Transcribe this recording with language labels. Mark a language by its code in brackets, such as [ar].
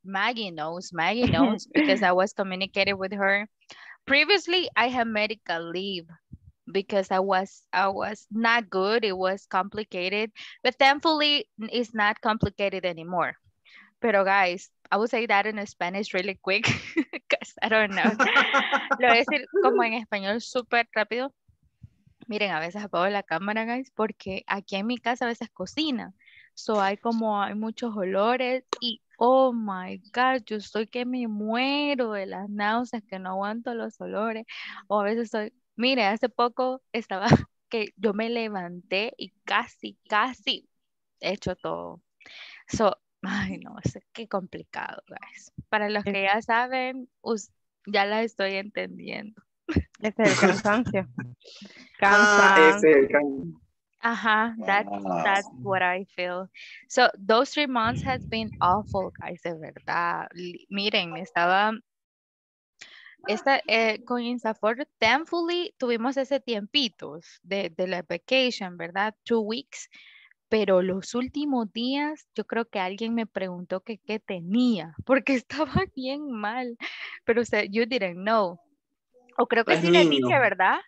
[en] Maggie knows because I was communicated with her. Previously, I had medical leave because I was not good. It was complicated. But thankfully, it's not complicated anymore. [es] Pero [en] guys, I will say that in Spanish really quick, because I don't know. [es] Lo voy a decir como en español súper rápido. Miren, a veces apago la cámara, guys, porque aquí en mi casa a veces cocina. So hay muchos olores y, [en] oh my God, [es] yo estoy que me muero de las náuseas, que no aguanto los olores. O a veces estoy, mire, hace poco estaba que yo me levanté y casi he hecho todo. So, ay, no, qué complicado, guys. Para los que ya saben, ya la estoy entendiendo. Ese es el cansancio. Ah, ese es el cansancio. [en] Uh-huh, that's what I feel. So those 3 months has been awful, guys, [es] de verdad. Miren, estaba... con INSAFORP, thankfully, tuvimos ese tiempito de la vacation, ¿verdad? [en] 2 weeks. [es] Pero los últimos días, yo creo que alguien me preguntó que qué tenía, porque estaba bien mal. Pero o sea, [en] you didn't know. [es] O creo que es sí niño. Le dije, ¿verdad?